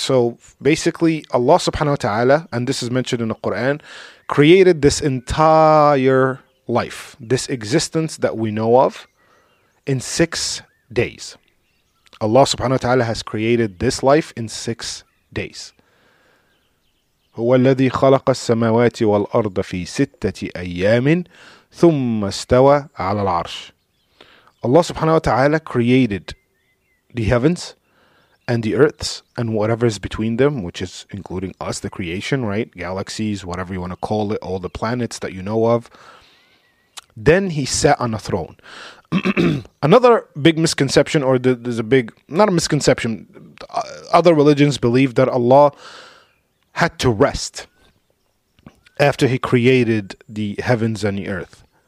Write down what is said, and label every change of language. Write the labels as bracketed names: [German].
[English] So basically, Allah subhanahu wa ta'ala, and this is mentioned in the Quran, created this entire life, this existence that we know of, in 6 days. Allah subhanahu wa ta'ala has created this life in 6 days. [Arabic] هو الذي خلق السماوات والأرض في ستة أيام ثم استوى على العرش. [English] Allah subhanahu wa ta'ala created the heavens and the earths and whatever is between them, which is including us, the creation, right? Galaxies, whatever you want to call it, all the planets that you know of. Then he sat on a throne. Another big misconception, or there's a big, not a misconception, other religions believe that Allah had to rest after he created the heavens and the earth.